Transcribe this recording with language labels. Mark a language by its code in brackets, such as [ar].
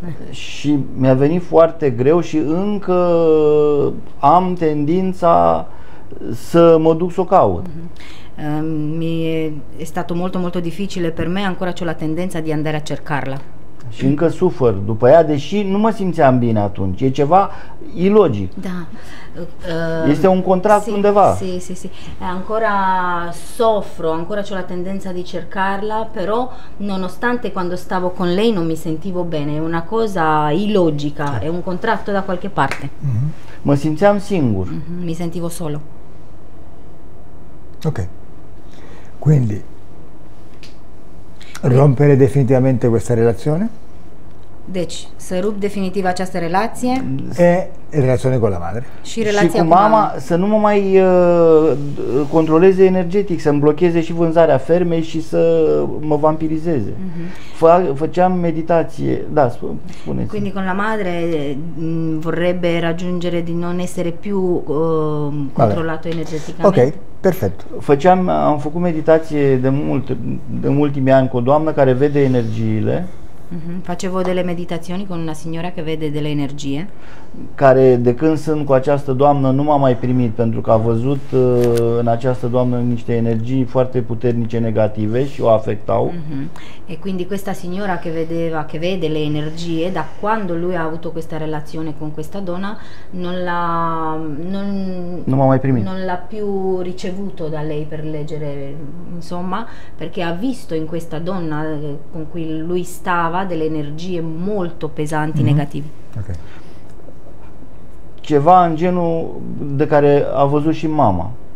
[ro] Și mi-a venit foarte greu și încă am tendința să mă duc să o caut. [it] È stato molto molto difficile per me, ancora c'ho la tendenza di andare a cercarla. [ro] Și încă sufăr după ea, deși nu mă simțeam bine atunci. E ceva ilogic. Da. Este un contract [it] sì, [ro] undeva. [it] Sì, sì, sì. Ancora soffro, ancora c'ho la tendenza di cercarla, però nonostante quando stavo con lei non mi sentivo bene. È una cosa illogica, è un contratto da qualche parte. [ro] Mă simțeam singur. [it] Mi sentivo solo. Ok. Quindi rompere definitivamente questa relazione? [ro] Deci, să rup definitiv această relație. E relația cu [it] la madre. [ro] Și relația și cu mama, să nu mă mai controleze energetic, să-mi blocheze și vânzarea fermei și să mă vampirizeze. Făceam meditație. Da, spuneți. [it] Quindi con la madre vorrebbe raggiungere di non essere più controllato energeticamente. [ro] Ok, perfect. Am făcut meditație de ultimii ani cu o doamnă care vede energiile. [it] Facevo delle meditazioni con una signora che vede delle energie. [ro] Care de când sunt cu această doamnă nu m-a mai primit, pentru că a văzut în această doamnă niște energii foarte puternice negative și o afectau. [it] E quindi questa signora che vedeva, che vede le energie, da quando lui ha avuto questa relazione con questa donna non [ro] m-a mai primit. [it] Non l'ha più ricevuto da lei per leggere, insomma, perché ha visto in questa donna con cui lui stava delle energie molto pesanti negative. Ok. [ro] Ceva în genul de care a văzut și mama.